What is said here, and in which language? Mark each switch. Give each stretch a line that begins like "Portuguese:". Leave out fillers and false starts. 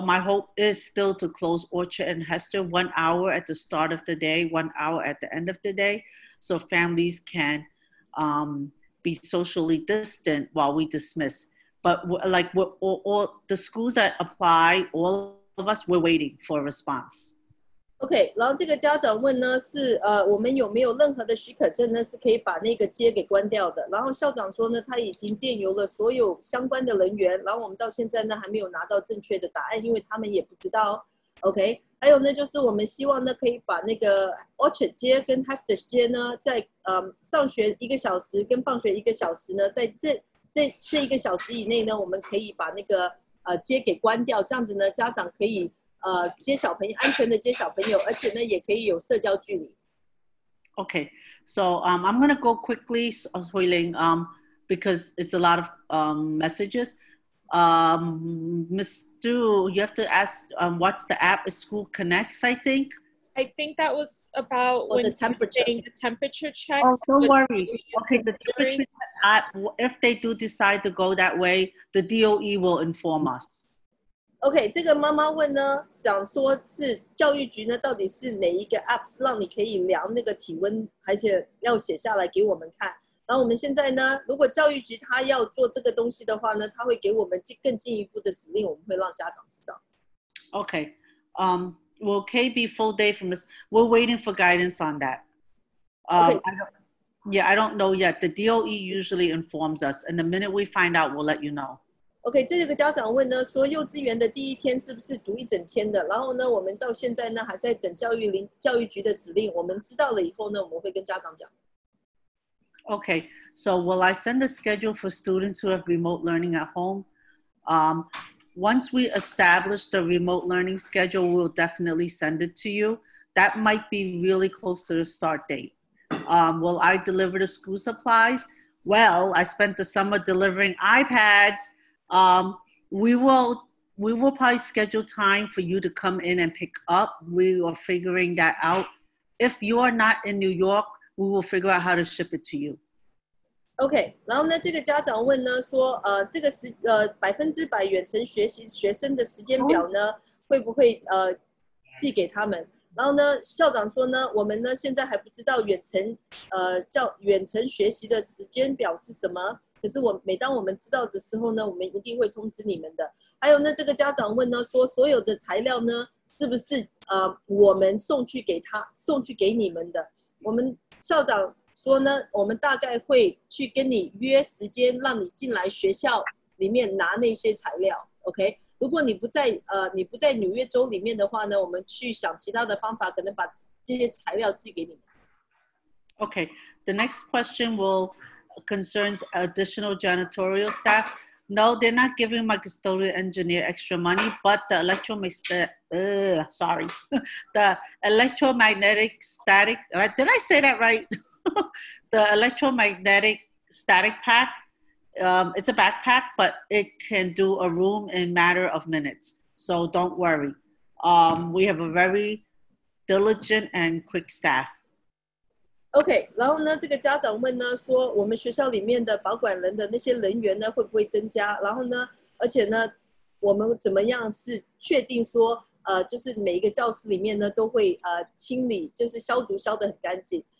English: My hope is still to close Orchard and Hester 1 hour at the start of the day, 1 hour at the end of the day, so families can be socially distant while we dismiss. But all the schools that apply, all of us, we're waiting for a response.
Chinese: Okay, 然后这个家长问呢，是我们有没有任何的许可证呢，是可以把那个街给关掉的。然后校长说呢，他已经电邮了所有相关的人员，然后我们到现在呢还没有拿到正确的答案，因为他们也不知道。 OK， 还有呢，就是我们希望呢可以把那个 Orchard 街跟 Hester 街呢，在上学一个小时跟放学一个小时呢，在这一个小时以内呢，我们可以把那个街给关掉，这样子呢，家长可以。接小朋友，安全的接小朋友，而且呢也可以有社交距离。
English: Okay, so I'm gonna go quickly, Huiling, because it's a lot of messages. Miss Du, you have to ask what's the app? Is School Connects, I think. I think that was about when the temperature. Getting the temperature checks. Oh, don't worry. Okay, the temperature app, if they do decide to go that way, the DOE will inform us.
Chinese: OK， 这个妈妈问呢，想说是教育局呢，到底是哪一个 app 让你可以量那个体温，而且要写下来给我们看。然后我们现在呢，如果教育局他要做这个东西的话呢，他会给我们更进一步的指令，我们会让家长知道。
English: OK， will K be full day from this? We're waiting for guidance on that. I don't know yet. The DOE usually informs us, and the minute we find out, we'll let you know.
Chinese: OK， 这个家长问呢，说幼稚园的第一天是不是读一整天的？然后呢，我们到现在呢还在等教育局的指令。我们知道了以后呢，我们会跟家长讲。
English: OK， so will I send a schedule for students who have remote learning at home? Once we establish the remote learning schedule, we'll definitely send it to you. that might be really close to the start date. Will I deliver the school supplies? Well, I spent the summer delivering iPads. We will probably schedule time for you to come in and pick up. We are figuring that out. If you are not in New York, we will figure out how to ship it to you.
Chinese: OK, 然后呢这个家长问呢说这个时百分之百远程学习学生的时间表呢会不会寄给他们。然后呢校长说呢我们呢现在还不知道远程学习的时间表是什么。可是我每当我们知道的时候呢我们一定会通知你们的。还有呢这个家长问呢说所有的材料呢是不是我们送去给你们的。我们校长说呢我们大概会去跟你约时间让你进来学校里面拿那些材料 OK 如果你不在你不在纽约州里面的话呢我们去想其他的方法可能把这些材料寄给你
English: OK The next question will concerns additional janitorial staff No, they're not giving my custodial engineer extra money but the the electromagnetic static did I say that right? The electromagnetic static pack, it's a backpack, but it can do a room in a matter of minutes. So don't worry. We have a very diligent and quick staff.
Chinese: Okay, 然后呢这个家长问呢说我们学校里面的保管人的那些人员呢会不会增加然后呢而且呢我们怎么样是确定说就是每一个教室里面呢都会清理就是消毒消得很干净。